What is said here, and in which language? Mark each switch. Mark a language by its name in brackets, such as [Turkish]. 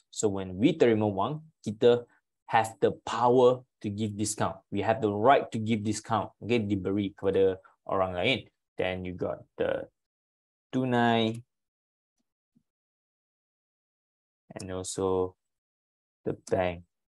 [English] So, when we [Malay] terima wang, kita [English] have the power to give discount. We have the right to give discount. [Malay] Okay, diberi kepada orang lain. [English] Then you got the tunai and also the bank.